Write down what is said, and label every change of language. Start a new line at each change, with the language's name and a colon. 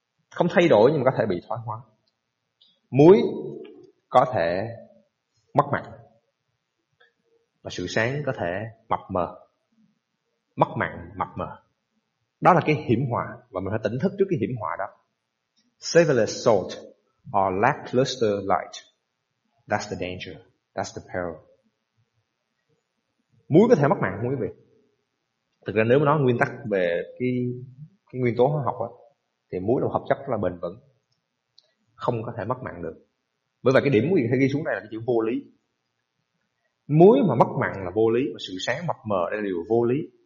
Vietnamese: Không thay đổi nhưng mà có thể bị thoái hóa. Muối có thể mất mặn và sự sáng có thể mập mờ. Mất mặn, mập mờ, đó là cái hiểm họa. Và mình phải tỉnh thức trước cái hiểm họa đó.
English: Savorless salt or lackluster light, that's the danger, that's the peril.
Vietnamese: Muối có thể mất mặn không quý vị? Thực ra nếu mà nói nguyên tắc về cái nguyên tố hóa học đó, thì muối là một hợp chất rất là bền vững, không có thể mất mặn được. Bởi vì cái điểm quý vị hay ghi xuống đây là cái chữ vô lý. Muối mà mất mặn là vô lý, và sự sáng mập mờ đây là điều vô lý.